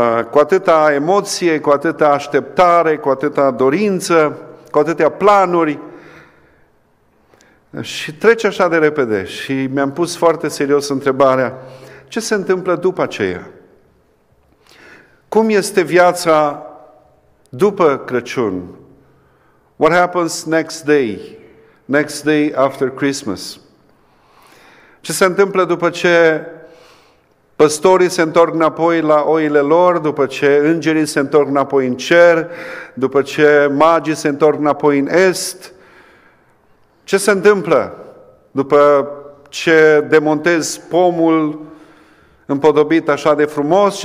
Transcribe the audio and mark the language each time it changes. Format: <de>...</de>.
<ro>Cu atâta emoție, cu atâta așteptare, cu atâta dorință, cu atâtea planuri. Și trece așa de repede și mi-am pus foarte serios întrebarea, ce se întâmplă după aceea? Cum este viața după Crăciun?</ro> <en>What happens next day? Next day after Christmas?</en> <ro>Ce se întâmplă după ce păstorii se întorc înapoi la oile lor, după ce îngerii se întorc înapoi în cer, după ce magii se întorc înapoi în est? Ce se întâmplă după ce demontez pomul împodobit așa de frumos?</ro>